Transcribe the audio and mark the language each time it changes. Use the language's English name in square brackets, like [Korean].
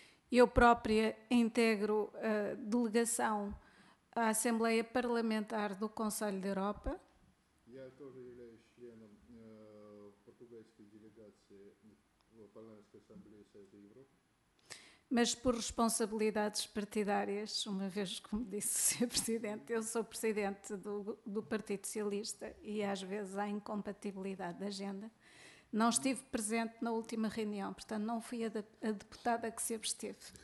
[Portuguese] Я própria integro a delegação à Assembleia Parlamentar do Conselho da Europa. [Russian] Я тоже являюсь членом португальской делегации в Парламентской Ассамблее Совета Европы. [Portuguese] Mas por responsabilidades partidárias, uma vez, como disse o Sr. Presidente, eu sou presidente do Partido Socialista e às vezes há incompatibilidade de agenda, não estive presente na última reunião, portanto não fui a deputada que se absteve.